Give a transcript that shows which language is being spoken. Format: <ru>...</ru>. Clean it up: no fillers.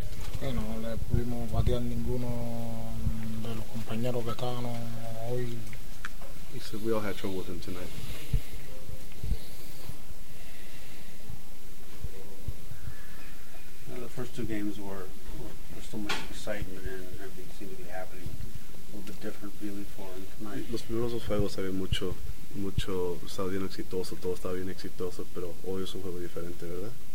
<es>estuvimos bateando ninguno de los compañeros que estaban hoy.</es> <en>He said we all had trouble with him tonight. The first two games were so much excitement and everything seemed to be happening. A little bit different really for him tonight.</en> <es>Los primeros dos juegos había mucho, estaba bien exitoso, todo estaba bien exitoso, pero hoy es un juego diferente, ¿verdad?</es>